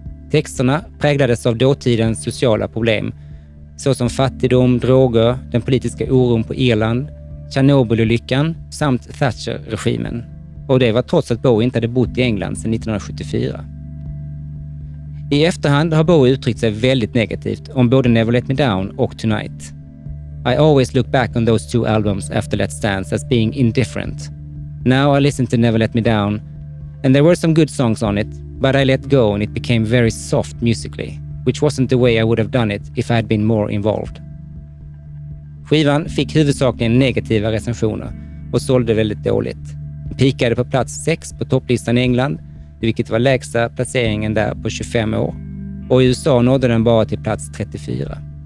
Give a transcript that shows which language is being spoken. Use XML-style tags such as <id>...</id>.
<sv>Texterna präglades av dåtidens sociala problem, såsom fattigdom, droger, den politiska oron på Irland, Tjernobyl-olyckan samt Thatcher-regimen. Och det var trots att Bowie inte hade bott i England sedan 1974. I efterhand har Bowie uttryckt sig väldigt negativt om både Never Let Me Down och Tonight.</sv> <en>I always look back on those two albums after Let's Dance as being indifferent. Now I listen to Never Let Me Down, and there were some good songs on it, but I let go and it became very soft musically, which wasn't the way I would have done it if I had been more involved.</en> <sv>Skivan fick huvudsakligen negativa recensioner och sålde väldigt dåligt. Den peakade på plats 6 på topplistan i England, vilket var lägsta placeringen där på 25 år. Och i USA nådde den bara till plats 34.</sv>